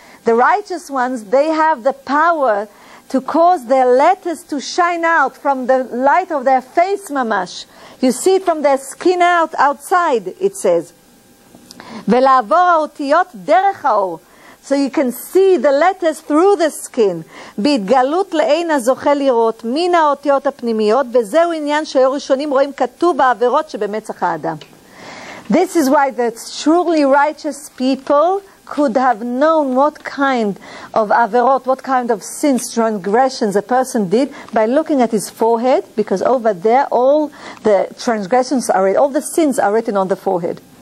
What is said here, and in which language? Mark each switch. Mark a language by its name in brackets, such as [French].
[English] The righteous ones, they have the power to cause their letters to shine out from the light of their face, mamash. You see it from their skin out, outside, it says. [Hebrew] Ve'la'avor ha'otiyot derech ha'or. [English] So you can see the letters through the skin. [Hebrew] בהתגלות לעין הזוכה לראות מן האותיות הפנימיות, וזהו עניין שהיו ראשונים רואים כתוב בעבירות שבמצח האדם. [English] This is why the truly righteous people could have known what kind of עבירות, what kind of sins, transgressions a person did by looking at his forehead, because over there all the transgressions are written, all the sins are written on the forehead.